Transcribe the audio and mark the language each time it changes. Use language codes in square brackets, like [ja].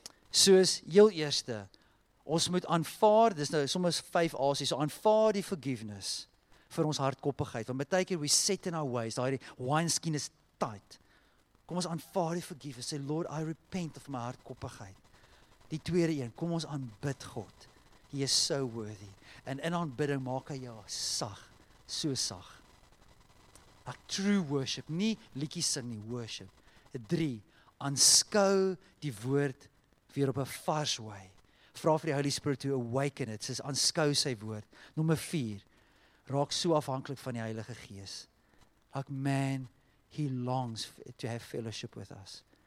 [af] Soos, heel eerste, ons moet aanvaar, dis nou soms 5 asies, aanvaar die forgiveness vir ons hardkoppigheid, want baie keer [en] we set in our ways, [af] daai wineskin is tight. Kom ons aanvaar die [en] forgiveness, say Lord, I repent of my hardkoppigheid. [af] Die tweede een, kom ons aanbid God. [en] He is so worthy. [af] En in aanbidding maak hy jou sag, so sag. [en] A true worship, [af] nie liedjie sing nie, worship. 3, aanskou die woord weer op 'n vars way. Vra vir die Holy Spirit [en] to awaken it, [af] soos aanskou sy woord. Nommer 4, raak so afhanklik van die Heilige Gees. [en] Like man, he longs to have fellowship with us.